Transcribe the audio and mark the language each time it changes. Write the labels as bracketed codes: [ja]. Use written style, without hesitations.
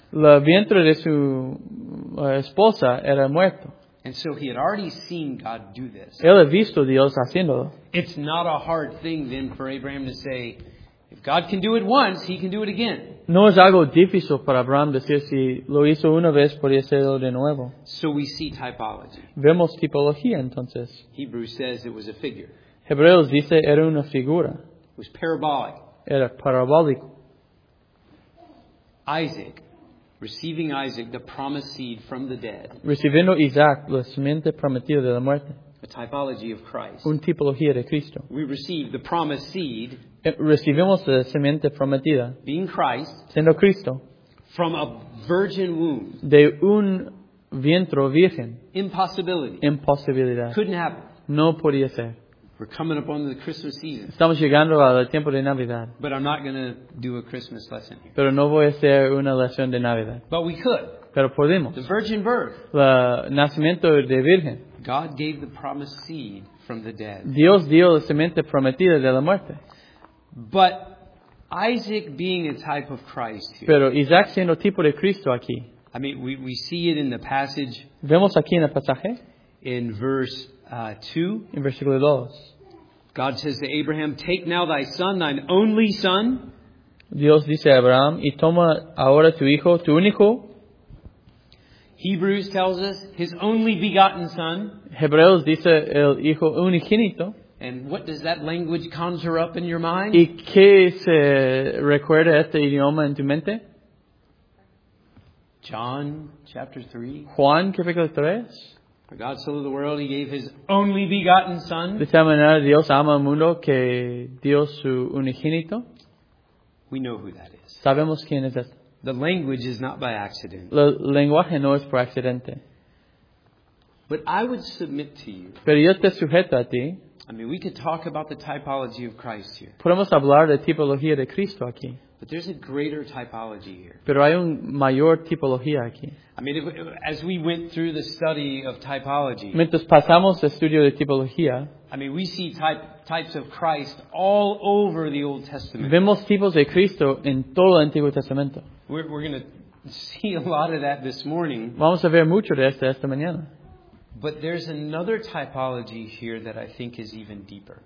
[es] La vientre de su esposa era muerto. [en] And so he had already seen God do this. [es] Él ha visto Dios haciéndolo. [en] It's not a hard thing then for Abraham to say, if God can do it once, he can do it again. [es] No es algo difícil para Abraham decir, si lo hizo una vez, podría hacerlo de nuevo. [en] So we see typology. [es] Vemos tipología entonces. [en] Hebrews says it was a figure. [es] Hebreos dice era una figura. [en] It was parabolic. [es] Era parabólico. [en] Isaac, receiving Isaac, the promised seed from the dead. [es] Recibiendo Isaac, la simiente prometida de la muerte. [en] A typology of Christ. [es] Un tipología de Cristo. [en] We receive the promised seed. [es] Recibimos la simiente prometida. [en] Being Christ. [es] Siendo Cristo. [en] From a virgin womb. [es] De un vientre virgen. [en] Impossibility. [es] Impossibilidad. [en] Couldn't happen. [es] No podía ser. [en] We're coming up on the Christmas season. [es] Estamos llegando al tiempo de Navidad. [en] But I'm not going to do a Christmas lesson here. [es] Pero no voy a hacer una lección de Navidad. [en] But we could. [es] Pero podemos. [en] The virgin birth. [es] El nacimiento de virgen. [en] God gave the promised seed from the dead. [es] Dios dio la semente prometida de la muerte. [en] But Isaac being a type of Christ here. [es] Pero Isaac siendo tipo de Cristo aquí. [en] I mean, we see it in the passage. [es] Vemos aquí en el pasaje. [en] In verse 2. [es] In versículo 2. [en] God says to Abraham, take now thy son, thine only son. [es] Dios dice a Abraham, y toma ahora tu hijo, tu único. [en] Hebrews tells us, his only begotten son. [es] Hebreos dice el hijo unigénito. [en] And what does that language conjure up in your mind? [es] ¿Y qué se recuerda este idioma en tu mente? [en] John chapter 3. [es] Juan capítulo 3. [en] God so loved the world, he gave his only begotten son. [es] De tal manera Dios ama al mundo que dio su unigénito. [en] We know who that is. [es] Sabemos quién es ese. [en] The language is not by accident. [es] El lenguaje no es por accidente. [en] But I would submit to you. [es] Pero yo te sujeto a ti. [en] I mean, we could talk about the typology of Christ here. [es] Podemos hablar de tipología de Cristo aquí. [en] But there's a greater typology here. [es] Pero hay un mayor tipología aquí. [en] I mean, as we went through the study of typology. [es] Mientras pasamos el estudio de tipología. [en] I mean, we see types of Christ all over the Old Testament. [es] Vemos tipos de Cristo en todo el Antiguo Testamento. [en] We're going to see a lot of that this morning. [es] Vamos a ver mucho de esto esta mañana. [en] But there's another typology here that I think is even deeper.